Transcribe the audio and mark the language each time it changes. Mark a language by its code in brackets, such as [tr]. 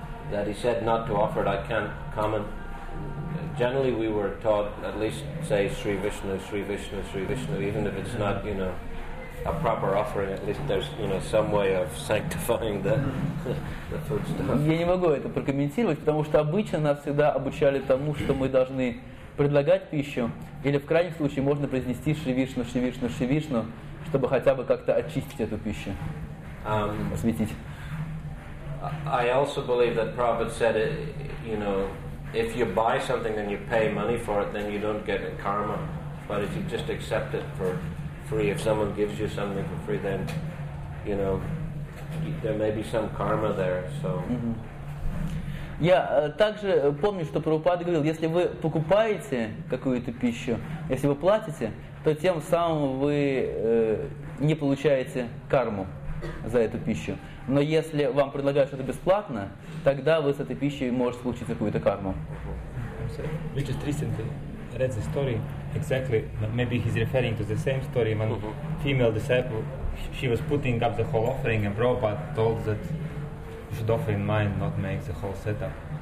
[en] That he said not to offer it, I can't comment. Generally, we were taught at least say Sri Vishnu, Sri Vishnu, Sri Vishnu. Even if it's not, you know, a proper offering, at least there's, you know, some way of sanctifying the food stuff. [ru] Я не могу это прокомментировать, потому что обычно нас всегда обучали тому, что мы должны предлагать пищу, или в крайнем случае можно произнести Шри Вишну, Шри Вишну, Шри Вишну, чтобы хотя бы как-то очистить эту пищу, осветить. [en] I also believe that Prabhupada said, you know, if you buy something and you pay money for it, then you don't get a karma. But if you just accept it for free, if someone gives you something for free, then, you know, there may be some karma there. So. [ru] Я также помню, что Прабхупада говорил, если вы покупаете какую-то пищу, если вы платите, то тем самым вы не получаете карму за эту пищу. Но если вам предлагают что-то бесплатно, тогда вы с этой пищей можете получить какую-то карму. [en] Which is recently read the story exactly. Maybe he's referring to the same story when female disciple, she was putting up the whole offering and Prabhupada told that you should offer in mind, not make the whole setup.